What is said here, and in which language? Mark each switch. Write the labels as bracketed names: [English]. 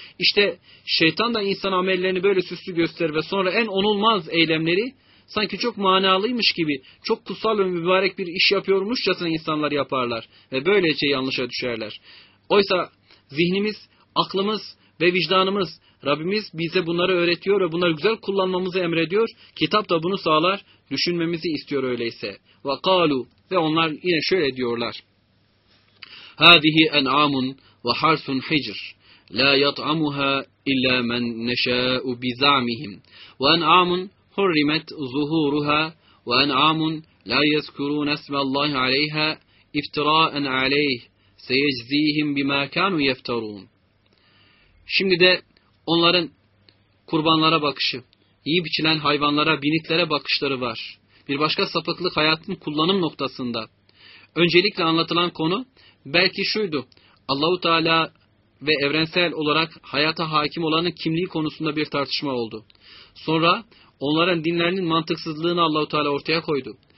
[Turkish] İşte şeytan da insan amellerini böyle süslü gösterir ve sonra en onulmaz eylemleri sanki çok manalıymış gibi, çok kutsal ve mübarek bir iş yapıyormuşçasına insanlar yaparlar ve böylece yanlışa düşerler. Oysa zihnimiz, aklımız ve vicdanımız, Rabbimiz bize bunları öğretiyor ve bunları güzel kullanmamızı emrediyor. Kitap da bunu sağlar, düşünmemizi istiyor öyleyse. وَقَالُوا Ve onlar yine şöyle diyorlar. [Arabic] هَذِهِ اَنْعَامٌ وَحَرْسٌ حِجْرٌ لَا يَطْعَمُهَا اِلَّا مَنْ نَشَاءُ بِزَعْمِهِمْ وَاَنْعَامٌ حرمت ظهورها وأنعام لا يذكرون اسم الله عليها افتراء عليه سيجزيهم بما كانوا يفترون. [Turkish] Şimdi de onların kurbanlara bakışı, iyi biçilen hayvanlara, binitlere bakışları var. Bir başka sapıklık hayatın kullanım noktasında. Öncelikle anlatılan konu belki şuydu. Allah-u Teala ve evrensel olarak hayata hakim olanın kimliği konusunda bir tartışma oldu. Sonra onların dinlerinin mantıksızlığını Allah-u Teala ortaya koydu.